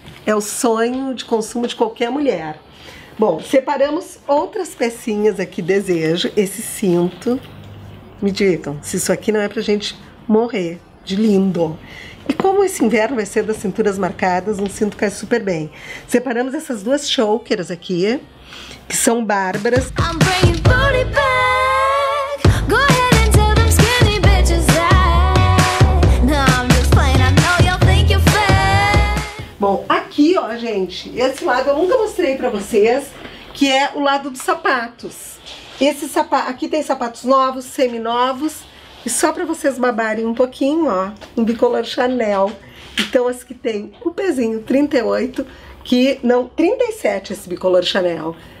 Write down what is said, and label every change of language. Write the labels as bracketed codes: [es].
[pt] é o sonho de consumo de qualquer mulher. Bom, separamos outras pecinhas aqui, desejo, esse cinto. Me digam, se isso aqui não é pra gente morrer de lindo. E como esse inverno vai ser das cinturas marcadas, um cinto cai super bem. Separamos essas duas chokers aqui, que são bárbaras. [en] I'm bringing booty back. Go ahead and tell them skinny bitches that. No, I'm just playing, I know you'll think you're fat. [pt] Bom, aqui ó, gente, esse lado eu nunca mostrei pra vocês, que é o lado dos sapatos. Esse sapato, aqui tem sapatos novos, seminovos. E só para vocês babarem um pouquinho, ó, um bicolor Chanel. Então, as que tem o pezinho 38, que não, 37 esse bicolor Chanel.